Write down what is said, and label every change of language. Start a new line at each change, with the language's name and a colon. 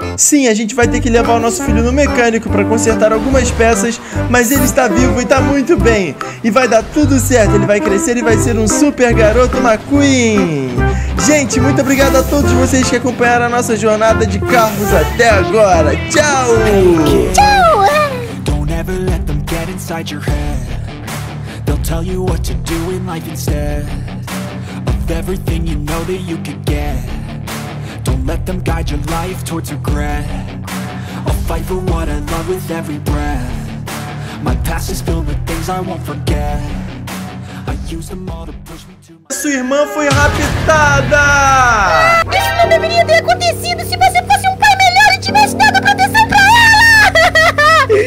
Portuguese: Sim, a gente vai ter que levar o nosso filho no mecânico pra consertar algumas peças, mas ele está vivo e tá muito bem. E vai dar tudo certo, ele vai crescer e vai ser um super garoto McQueen. Gente, muito obrigado a todos vocês que acompanharam a nossa jornada de carros até agora. Tchau! Tchau!
English: Never let them get inside your head. They'll tell you what to do in life instead of everything you know that you could get. Don't let them guide your life towards regret. I'll fight for what I love with every breath. My past is filled with things I won't forget. I use them all to push me to my...
Portuguese: Sua irmã foi raptada! Isso não deveria ter acontecido se você fosse um pai melhor e tivesse dado proteção pra ela!